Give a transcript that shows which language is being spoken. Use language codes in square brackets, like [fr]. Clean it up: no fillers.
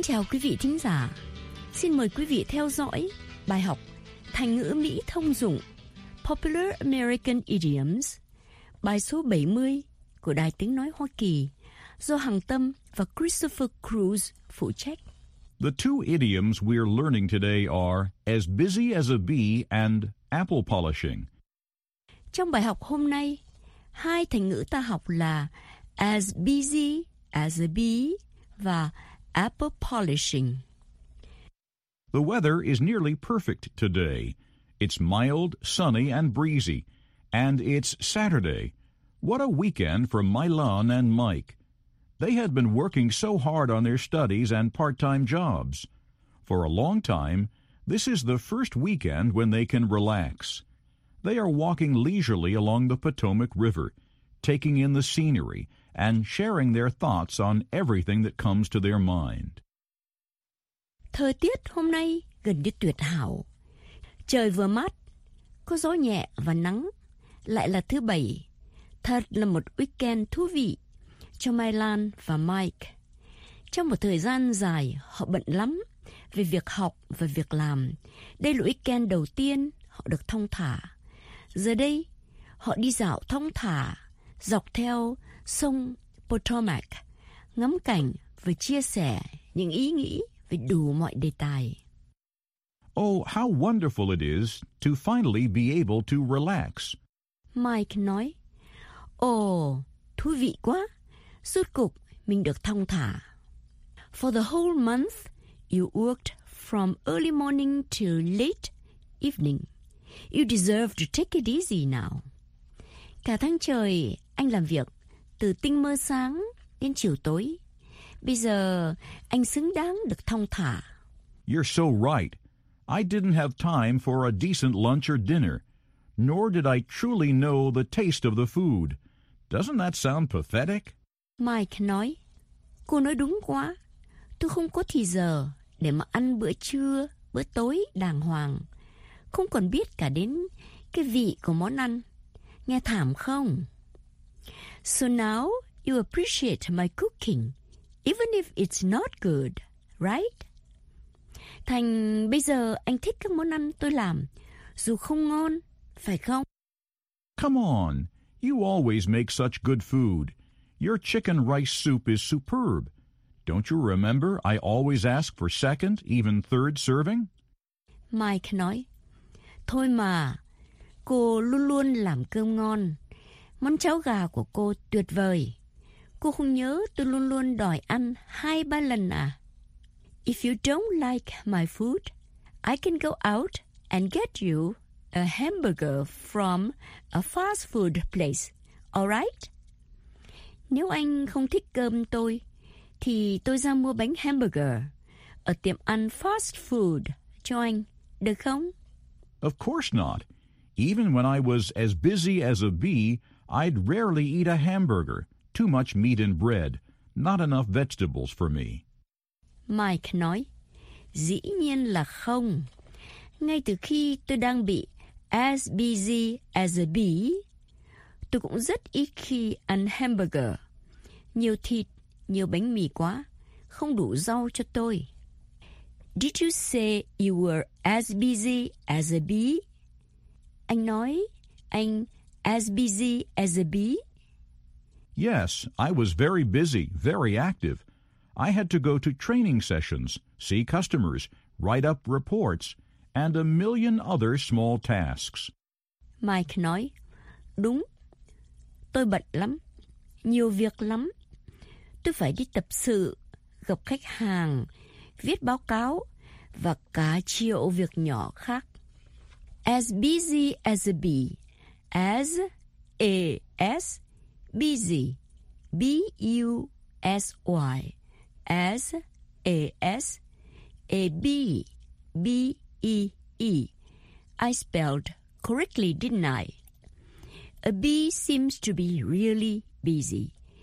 [vi] Quý vị thính giả, xin mời quý vị theo dõi bài học Thành ngữ Mỹ thông dụng [en] Popular American Idioms, [vi] bài số 70 của Đài Tiếng Nói Hoa Kỳ do Hằng Tâm và Christopher Cruz phụ trách. [en] The two idioms we're learning today are as busy as a bee and apple polishing. [vi] Trong bài học hôm nay, hai thành ngữ ta học là [en] as busy as a bee [vi] và [en] apple polishing. The weather is nearly perfect today. It's mild, sunny, and breezy. And it's Saturday. What a weekend for Mylon and Mike. They had been working so hard on their studies and part-time jobs. For a long time, this is the first weekend when they can relax. They are walking leisurely along the Potomac River, taking in the scenery, and sharing their thoughts on everything that comes to their mind. [vi] Thời tiết hôm nay gần như tuyệt hảo. Trời vừa mát, có gió nhẹ và nắng. Lại là thứ bảy. Thật là một weekend thú vị cho Mylan và Mike. Trong một thời gian dài, họ bận lắm. về việc học và việc làm. Đây là weekend đầu tiên họ được thong thả. Giờ đây, họ đi dạo thong thả dọc theo sông Potomac, ngắm cảnh và chia sẻ những ý nghĩ về đủ mọi đề tài. [en] Oh, how wonderful it is to finally be able to relax. [vi] Mike nói, thú vị quá, rốt cục mình được thong thả. [en] For the whole month, you worked from early morning till late evening. You deserve to take it easy now. [vi] Cả tháng trời, anh làm việc từ tinh mơ sáng đến chiều tối. Bây giờ, anh xứng đáng được thong thả. [en] You're so right. I didn't have time for a decent lunch or dinner, nor did I truly know the taste of the food. Doesn't that sound pathetic? [vi] Mike nói, cô nói đúng quá. Tôi không có thì giờ để mà ăn bữa trưa, bữa tối đàng hoàng. Không còn biết cả đến cái vị của món ăn. Nghe thảm không? [en] So now you appreciate my cooking, even if it's not good, right? [vi] Thành, bây giờ anh thích các món ăn tôi làm, dù không ngon, phải không? [en] Come on, you always make such good food. Your chicken rice soup is superb. Don't you remember I always ask for second, even third serving? [vi] Mike nói, thôi mà, cô luôn luôn làm cơm ngon. Món cháo gà của cô tuyệt vời. Cô không nhớ tôi luôn luôn đòi ăn hai ba lần à? [en] If you don't like my food, I can go out and get you a hamburger from a fast food place, all right? [vi] Nếu anh không thích cơm tôi, thì tôi ra mua bánh hamburger ở tiệm ăn fast food cho anh, được không? [en] Of course not. Even when I was as busy as a bee, I'd rarely eat a hamburger. Too much meat and bread. Not enough vegetables for me. [vi] Mike nói, dĩ nhiên là không. Ngay từ khi tôi đang bị [en] as busy as a bee, [vi] tôi cũng rất ít khi ăn hamburger. Nhiều thịt, nhiều bánh mì quá, không đủ rau cho tôi. [en] Did you say you were as busy as a bee? [vi] Anh nói, anh [en] as busy as a bee? Yes, I was very busy, very active. I had to go to training sessions, see customers, write up reports, and a million other small tasks. [vi] Mike nói, đúng, tôi bận lắm, nhiều việc lắm. Tôi phải đi tập sự, gặp khách hàng, viết báo cáo, và cả triệu việc nhỏ khác. [en] As busy as a bee, as a s busy, B-U-S-Y. As, A-S, A-B, B-E-E. I spelled correctly, didn't I? A bee seems to be really busy.